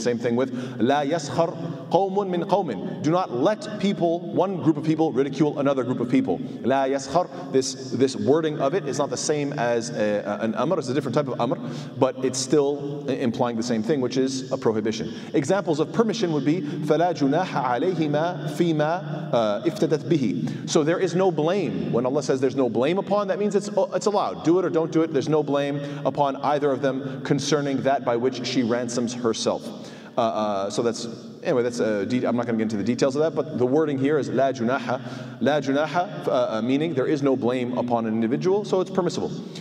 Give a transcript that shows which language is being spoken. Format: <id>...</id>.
<en>Same thing with</en> <ar>la yaskhar qawmun min qawmin.</ar> <en>Do not let people, one group of people, ridicule another group of people.</en> <ar>La yaskhar,</ar> <en>this wording of it is not the same as an amr. It's a different type of amr, but it's still implying the same thing, which is a prohibition. Examples of permission would be</en> <ar>فَلَا جُنَاحَ عَلَيْهِمَا فِيمَا اِفْتَدَتْ بِهِ.</ar> <en>So there is no blame. When Allah says there's no blame upon, that means it's allowed. Do it or don't do it. There's no blame upon either of them concerning that by which she ransoms herself. I'm not going to get into the details of that, but the wording here is</en> <ar>la junaha. La junaha,</ar> <en>meaning there is no blame upon an individual, so it's permissible.</en>